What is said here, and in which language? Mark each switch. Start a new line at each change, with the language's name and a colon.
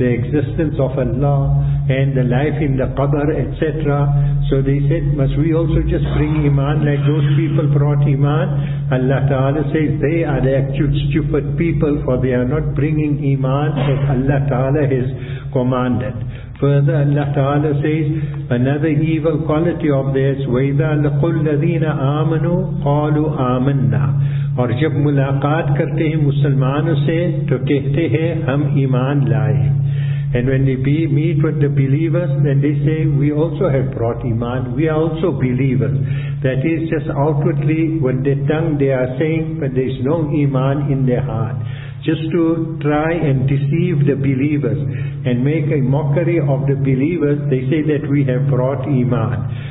English: The existence of Allah and the life in the qabr, etc. So they said, must we also just bring Iman like those people brought Iman? Allah Ta'ala says they are the actual stupid people, for they are not bringing Iman as Allah Ta'ala has commanded. Further, Allah Ta'ala says another evil quality of theirs,
Arabic: وَإِذَا لَقُوا الَّذِينَ آمَنُوا قَالُوا آمَنَّا.
Urdu: اور جب ملاقات کرتے ہیں مسلمانوں سے تو کہتے ہیں ہم ایمان لائے.
English: And when they meet with the believers, then they say, we also have brought Iman, we are also believers. That is just outwardly, with their tongue they are saying, but there is no Iman in their heart. Just to try and deceive the believers, and make a mockery of the believers, they say that we have brought Iman.